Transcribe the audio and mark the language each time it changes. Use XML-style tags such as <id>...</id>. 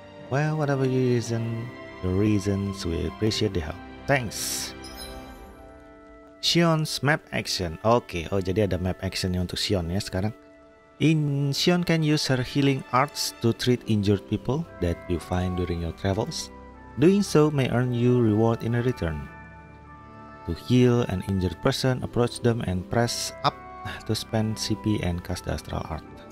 <en>Well, whatever your reason, we appreciate the help. Thanks. Sion's map action. Okay.</en> <id>Oh, jadi ada map actionnya untuk Sion ya sekarang.</id> <en>Sion can use her healing arts to treat injured people that you find during your travels. Doing so may earn you reward in a return. To heal an injured person, approach them and press up to spend CP and cast the astral art.</en>